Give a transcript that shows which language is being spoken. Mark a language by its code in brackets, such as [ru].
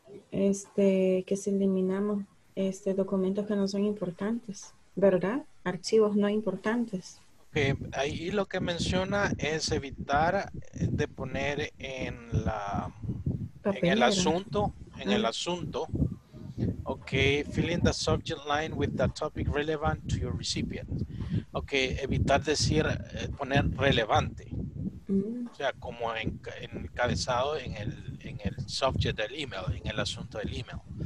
[es] Que si eliminamos documentos que no son importantes, ¿verdad? Archivos no importantes. Okay. Ahí lo que menciona es evitar de poner en la papelera. En el asunto. [en] Okay, fill in the subject line with the topic relevant to your recipient. [es] Okay, evitar decir poner relevante. Mm-hmm. O sea, como en encabezado en el subject del email, en el asunto del email.